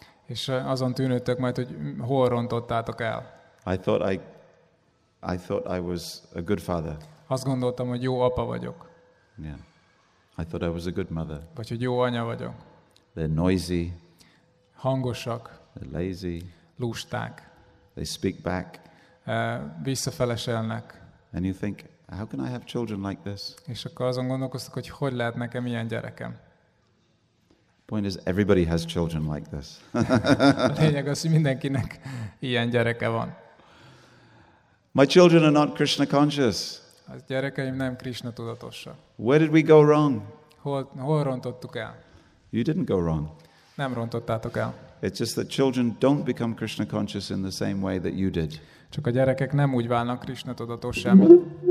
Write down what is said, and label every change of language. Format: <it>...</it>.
<hu>És azon tűnődtök majd, hogy hol rontottátok el.</hu> <en>I thought I was a good father.</en> <hu>Azt gondoltam, hogy jó apa vagyok.</hu> <en>Yeah. I thought I was a good mother.</en> <hu>Vagy hogy jó anya vagyok.</hu> <en>They're noisy.</en> <hu>Hangosak.</hu> <en>They're lazy.</en> <hu>Lusták.</hu> <en>They speak back.</en> <hu>Visszafeleselnek.</hu> <en>And you think, how can I have children like this?</en> <hu>És akkor azon gondolkoztak, hogy hogy lehet nekem ilyen gyerekem.</hu> <en>Point is, everybody has children like this.</en> <hu>A lényeg az, hogy mindenkinek ilyen gyereke van.</hu> <en>My children are not Krishna conscious.</en> <hu>A gyerekeim nem Krishna tudatosak.</hu> <en>Where did we go wrong?</en> <hu>Hol rontottuk el?</hu> <en>You didn't go wrong.</en> <hu>Nem rontottátok el.</hu> <en>It's just that children don't become Krishna conscious in the same way that you did.</en> <hu>Csak a gyerekek nem úgy válnak Krishna tudatossá, mint</hu>